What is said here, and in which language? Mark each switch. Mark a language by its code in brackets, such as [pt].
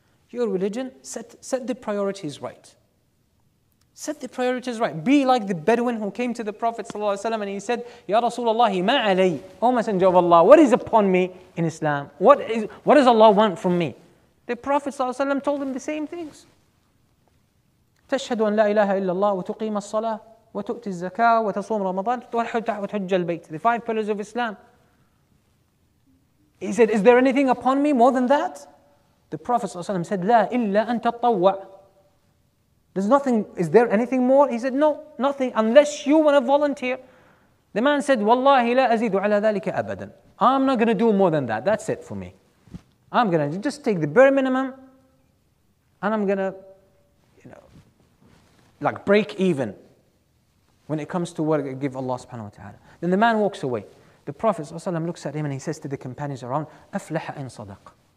[en] Your religion, set the priorities right. Set the priorities right. Be like the Bedouin who came to the Prophet sallallahu alaihi wasallam and he said, [ar] "Ya Rasulullah, ma alay, [en] O Messenger of Allah, what is upon me in Islam? What does Allah want from me?" The Prophet sallallahu alaihi wasallam told him the same things. [ar] تشهد أن لا إله إلا الله وتقيم الصلاة وتؤتي الزكاة وتصوم رمضان وتحج البيت. [en] The five pillars of Islam. He said, "Is there anything upon me more than that?" The Prophet ﷺ said, [ar] "لا إلا أن تطوع." [en] There's nothing. Is there anything more? He said, "No, nothing. Unless you want to volunteer." The man said, [ar] "والله لا أزيد على ذلك أبدا." [en] I'm not going to do more than that. That's it for me. I'm going to just take the bare minimum, and I'm going to, like, break even when it comes to what I give Allah subhanahu wa ta'ala. Then the man walks away. The Prophet ﷺ looks at him and he says to the companions around, [ar] "Aflaha in sadaq."